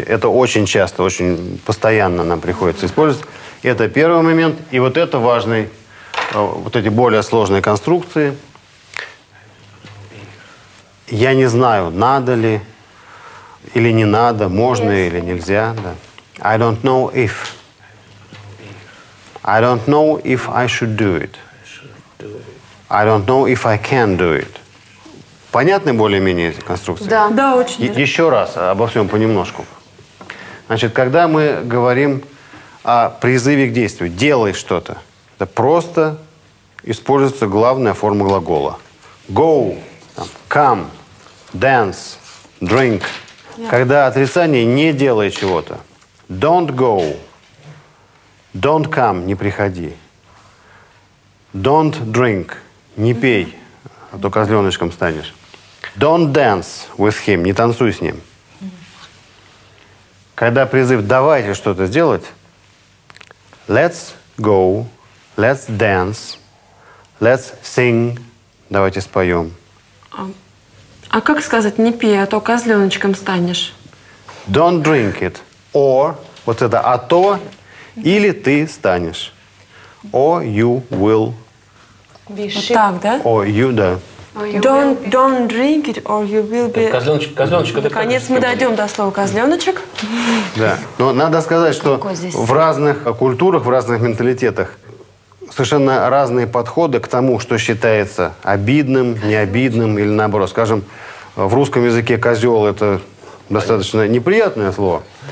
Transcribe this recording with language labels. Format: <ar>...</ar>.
<ru>Это очень часто, очень постоянно нам приходится использовать. Это первый момент. И вот это важный, вот эти более сложные конструкции. Я не знаю, надо ли или не надо, можно или нельзя.</ru> <en>Да. I don't know if. I don't know if I should do it. I don't know if I can do it.</en> <ru>Понятны более-менее эти конструкции? Да, да, очень. Еще раз обо всем понемножку. Значит, когда мы говорим о призыве к действию, делай что-то, это просто используется главная форма глагола.</ru> <en>Go, там, come, dance, drink. Yeah.</en> <ru>Когда отрицание, не делай чего-то.</ru> <en>Don't go, don't come,</en> <ru>не приходи.</ru> <en>Don't drink,</en> <ru>не пей, а то козленочком станешь.</ru> <en>Don't dance with him.</en> <ru>Не танцуй с ним. Когда призыв «давайте что-то сделать»,</ru> <en>let's go, let's dance, let's sing.</en> <ru>Давайте споем. А как сказать «не пей», а то козленочком станешь?</ru> <en>Don't drink it.</en> <ru>Or, вот это «а то», или «ты станешь».</ru> <en>Or you will.</en> <ru>Вот так, да?</ru> <en>Or you, да. Don't drink it, or you will be...</en> <ru>Козленочек, это наконец мы дойдем до слова козленочек. Да, но надо сказать, что в разных культурах, в разных менталитетах совершенно разные подходы к тому, что считается обидным, необидным или наоборот. Скажем, в русском языке козел – это достаточно неприятное слово.</ru>